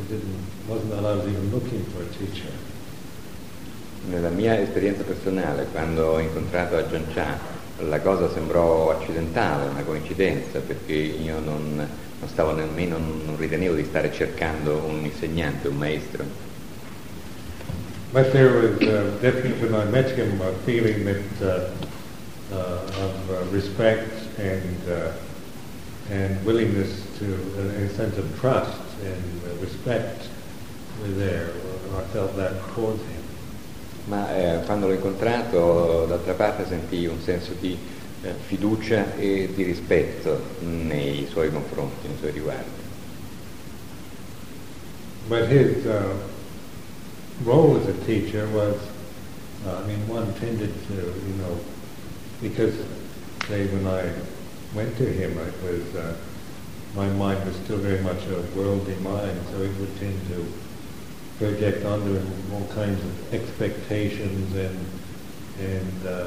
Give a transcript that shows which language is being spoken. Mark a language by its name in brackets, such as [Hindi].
[English] It wasn't that I was even looking for a teacher. [Italian] Nella mia esperienza personale, quando ho incontrato Ajahn Chah, la cosa sembrò accidentale, una coincidenza, perché io non stavo nemmeno, non ritenevo di stare cercando un insegnante, un maestro. [English] But there was definitely, when I met him, a feeling of respect and willingness to, a sense of trust and respect were there. I felt that towards him. [Italian] Ma quando l'ho incontrato, d'altra parte sentii un senso di fiducia e di rispetto nei suoi confronti, nei suoi riguardi. [English] But his role as a teacher was, one tended to, because, say, when I went to him, it was, my mind was still very much a worldly mind, so it would tend to project onto him all kinds of expectations and